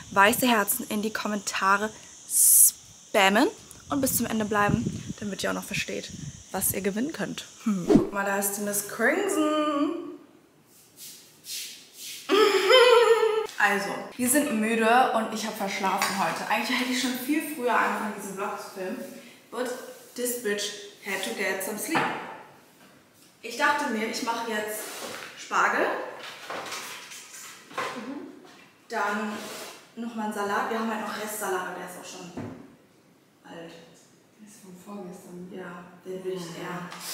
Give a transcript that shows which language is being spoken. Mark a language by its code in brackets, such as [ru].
[de] Weiße Herzen in die Kommentare spammen und bis zum Ende bleiben, damit ihr auch noch versteht, was ihr gewinnen könnt. Guck mal, da ist die Miss Crimson. Also, wir sind müde und ich habe verschlafen heute. Eigentlich hätte ich schon viel früher angefangen, diesen Vlog zu filmen. [en] But this bitch had to get some sleep. [de] Ich dachte mir, ich mache jetzt Spargel, dann nochmal einen Salat. Wir haben halt noch Restsalat, aber der ist auch schon alt. Der ist von vorgestern. Ja, den will ich eher.